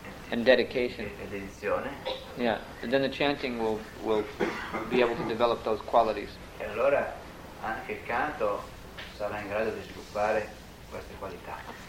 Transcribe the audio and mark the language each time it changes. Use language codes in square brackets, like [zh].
[en] and dedication [it] e dedizione. [en] Yeah, and then the chanting will be able to develop those qualities. [it] E allora anche il canto sarà in grado di sviluppare queste qualità.